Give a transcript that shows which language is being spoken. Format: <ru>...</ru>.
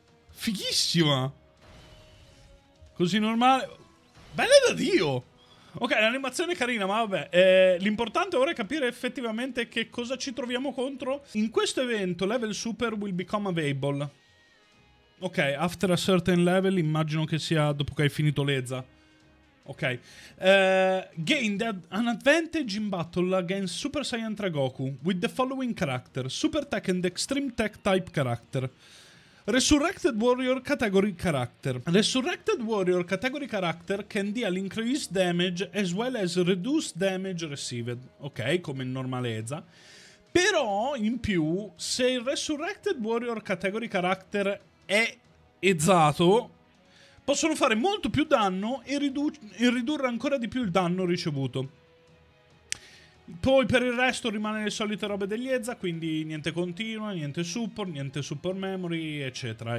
<it>Fighissima! Così normale... Bella da Dio! Ok, l'animazione è carina, ma vabbè. L'importante ora è capire effettivamente che cosa ci troviamo contro. In questo evento,</it> <en>level super will become available.</en> <it>Ok,</it> <en>after a certain level,</en> <it>immagino che sia dopo che hai finito l'Ezza. Ok.</it> <en>Gain an advantage in battle against Super Saiyan 3 Goku with the following character. Super Tech and Extreme Tech type character. Resurrected Warrior category character. Resurrected Warrior category character can deal increased damage as well as reduced damage received.</en> <it>Ok, come normalezza. Però, in più, se il Resurrected Warrior category character è ezzato, possono fare molto più danno e ridurre ancora di più il danno ricevuto. Poi per il resto rimane le solite robe degli Ezza, quindi niente continua, niente support memory, eccetera.</it>